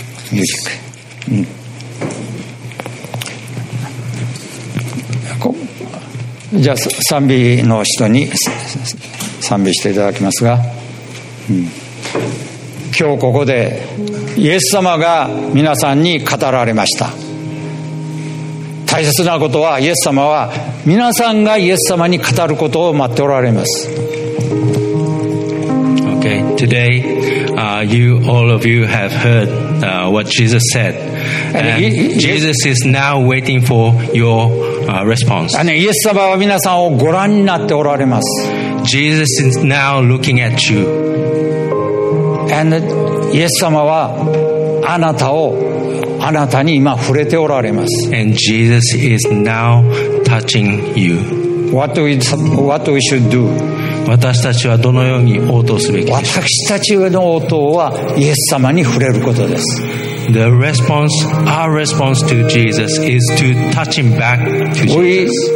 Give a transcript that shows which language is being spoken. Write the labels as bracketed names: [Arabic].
[Japanese] ミュージック、じゃあ賛美の人に賛美していただきますが、今日ここでイエス様が皆さんに語られました。大切なことは、イエス様は皆さんがイエス様に語ることを待っておられます。 [English] Okay, today, you, all of you have heard, what Jesus said. And Jesus is now waiting for your, response. And [Japanese] イエス様は皆さんをご覧になっておられます。 [English] Jesus is now looking at you. And [Japanese] イエス様はあなたに今触れておられます。 [English] And Jesus is now touching you. What we should do? [Japanese] 私たちはどのように応答すべきですか。私たちの応答はイエス様に触れることです。 [English] The response, our response to Jesus is to touch him back to Jesus.